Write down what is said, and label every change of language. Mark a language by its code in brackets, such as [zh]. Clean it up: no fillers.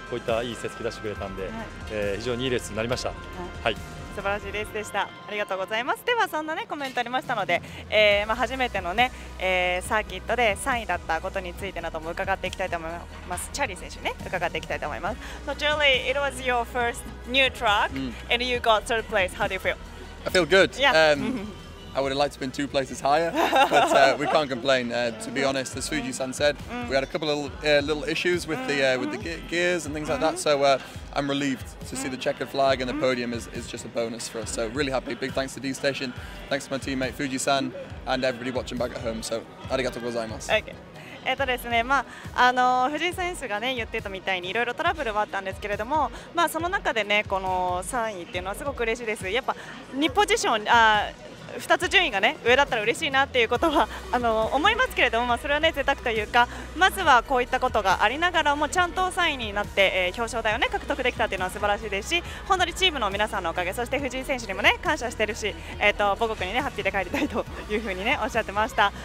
[ja] こういったいい成績出してくれたんで、はい、非常にいいレースになりました、はいはい、素晴らしいレースでした。ありがとうございます。ではそんな、ね、コメントありましたので、まあ、初めての、ね、サーキットで3位だったことについてなども伺っていきたいと思います。チャーリー選手に、ね、伺っていきたいと思います。 [en] So Charlie, it was your first new truck、 [ja] うん、 [en] and you got third place. How do you feel? I feel good. Yeah. I would have liked to have been two places higher, but we can't complain. To be honest, as Fuji-san said, we had a couple of little issues with the gears and things like that. So I'm relieved to see the checkered flag and the podium is just a bonus for us. So really happy. Big thanks to D-Station. Thanks to my teammate Fuji-san and everybody watching back at home. [ja] So ありがとうございます。ですね、まあ、藤井選手が、ね、言ってたみたいにいろいろトラブルはあったんですけれども、まあ、その中で、ね、この3位っていうのはすごく嬉しいです。やっぱ2ポジション、あ、2つ順位が、ね、上だったら嬉しいなっていうことは思いますけれども、まあ、それは、ね、贅沢というか、まずはこういったことがありながらもちゃんと3位になって、表彰台を、ね、獲得できたっていうのは素晴らしいですし、本当にチームの皆さんのおかげ、そして藤井選手にも、ね、感謝してるし、母国に、ね、ハッピーで帰りたいというふうに、ね、おっしゃってました。